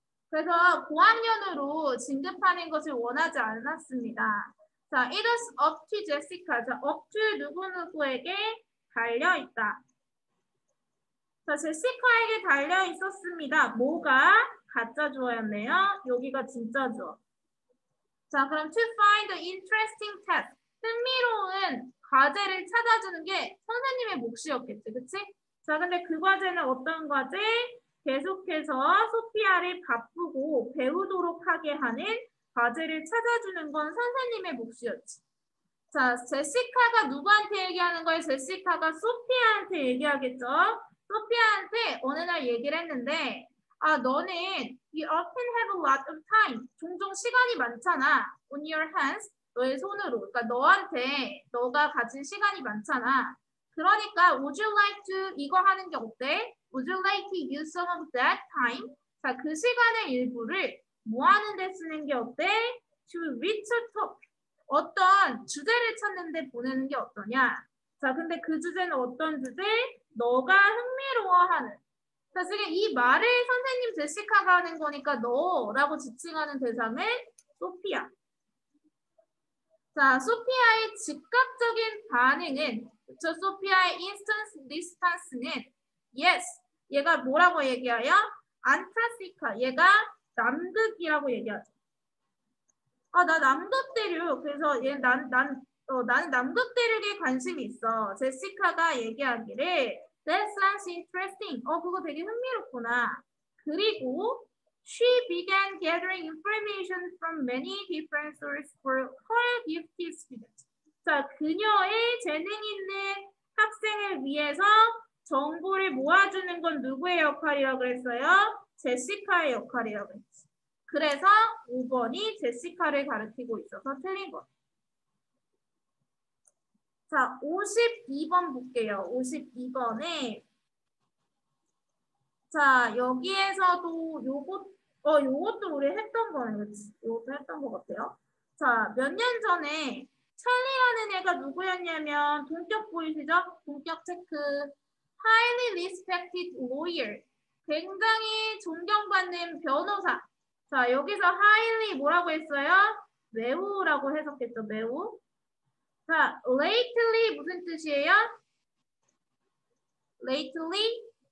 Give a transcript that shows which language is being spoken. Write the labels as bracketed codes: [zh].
[ko] 그래서 고학년으로 진급하는 것을 원하지 않았습니다. [en] 자, it is up to Jessica. [ko] 자, up to 누구누구에게 달려 있다. 자, 제시카에게 달려 있었습니다. 뭐가 가짜 주어였네요. 여기가 진짜 주어. 자, 그럼 [en] to find the interesting task. [ko] 흥미로운 과제를 찾아주는 게 선생님의 몫이었겠지, 그치? 자, 근데 그 과제는 어떤 과제? 계속해서 소피아를 바쁘고 배우도록 하게 하는 과제를 찾아주는 건 선생님의 몫이었지. 자, 제시카가 누구한테 얘기하는 거예요? 제시카가 소피아한테 얘기하겠죠? 소피아한테 어느 날 얘기를 했는데, 아, 너는 [en] you often have a lot of time. [ko] 종종 시간이 많잖아. [en] On your hands. [ko] 너의 손으로. 그러니까 너한테 너가 가진 시간이 많잖아. 그러니까 [en] would you like to [ko] 이거 하는 게 어때? [en] Would you like to use some of that time? [ko] 자, 그 시간의 일부를 뭐 하는 데 쓰는 게 어때? [en] To reach a topic. [ko] 어떤 주제를 찾는 데 보내는 게 어떠냐? 자, 근데 그 주제는 어떤 주제? 너가 흥미로워하는. 사실 이 말을 선생님 제시카가 하는 거니까 너라고 지칭하는 대상은 소피아. 자, 소피아의 즉각적인 반응은, 그쵸? [en] 소피아의 instant response는 yes. [ko] 얘가 뭐라고 얘기해요? Antarctica. 얘가 남극이라고 얘기하죠. 아, 나 남극 대륙. 그래서 얘, 난, 난, 어, 나는 남극 대륙에 관심이 있어. 제시카가 얘기하기를 [en] That sounds interesting. [ko] 어, 그거 되게 흥미롭구나. [en] 그리고 she began gathering information from many different sources for her gifted students. [ko] 자, 그녀의 재능 있는 학생을 위해서 정보를 모아주는 건 누구의 역할이라고 그랬어요? 제시카의 역할이라고 했지. 그래서 5번이 제시카를 가르치고 있어서 틀린 거. 자, 52번 볼게요. 52번에. 자, 여기에서도 요것도 우리 했던 거네요. 그치? 요것도 했던 것 같아요. 자, 몇년 전에 찰리라는 애가 누구였냐면, 동격 보이시죠? 동격 체크. [en] Highly respected lawyer. [ko] 굉장히 존경받는 변호사. 자, 여기서 highly 뭐라고 했어요? 매우라고 해석했죠, 매우. 자, lately 무슨 뜻이에요? [en] Lately?